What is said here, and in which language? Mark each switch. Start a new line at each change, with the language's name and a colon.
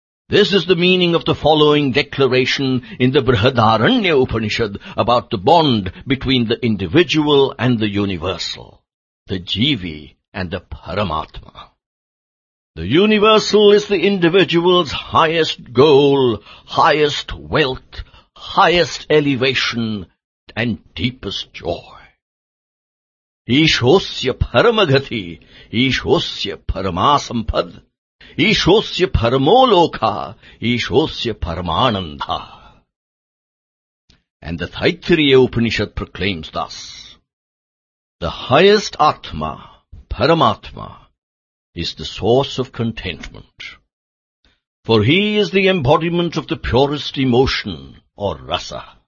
English: This is the meaning of the following declaration in the Brihadaranya Upanishad about the bond between the individual and the universal, the Jivi and the Paramatma. The universal is the individual's highest goal, highest wealth, highest elevation, and deepest joy.
Sanskrit: Ishosya paramagati, ishosya paramasampad, ishosya paramoloka, ishosya paramananda.
English: And the Taittiriya Upanishad proclaims thus, the highest Atma, Paramatma, is the source of contentment, for he is the embodiment of the purest emotion or rasa.